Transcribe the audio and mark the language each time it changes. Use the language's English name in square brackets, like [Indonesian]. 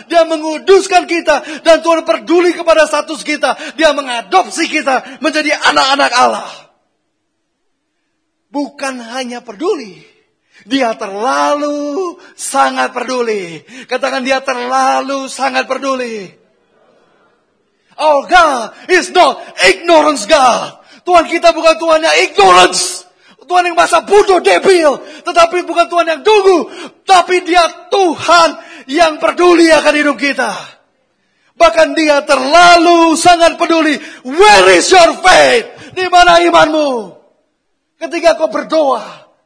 [Indonesian] Dia menguduskan kita. Dan Tuhan peduli kepada status kita. Dia mengadopsi kita menjadi anak-anak Allah. Bukan hanya peduli. Dia terlalu sangat peduli. Katakan dia terlalu sangat peduli. [English] Our God is not ignorance God. [Indonesian] Tuhan kita bukan Tuhan yang ignorance. Tuhan yang masa bodoh, debil. Tetapi bukan Tuhan yang dungu. Tapi dia Tuhan yang peduli akan hidup kita. Bahkan dia terlalu sangat peduli. [English] Where is your faith? [Indonesian] Di mana imanmu? Ketika kau berdoa.